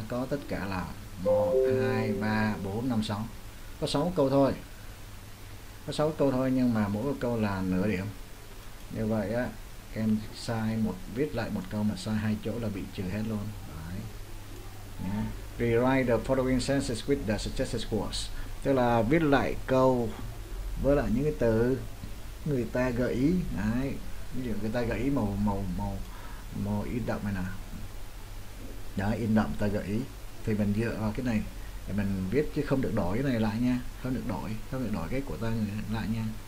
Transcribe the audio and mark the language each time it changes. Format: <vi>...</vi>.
<vi>Tất cả là 1, 2, 3, 4, 5, 6. Có 6 câu thôi. Có 6 câu thôi nhưng mà mỗi câu là nửa điểm. Như vậy á, em sai một, viết lại một câu mà sai hai chỗ là bị trừ hết luôn. Đấy. Yeah.</vi> <en>Rewrite the following sentences with the suggested words.</en> <vi>Tức là viết lại câu với lại những cái từ người ta gợi ý. Đấy. Ví dụ người ta gợi ý màu ý đậm này nè. Đó, in đậm ta gợi ý thì mình dựa vào cái này để mình viết, chứ không được đổi cái này lại nha, không được đổi cái của ta lại nha.</vi>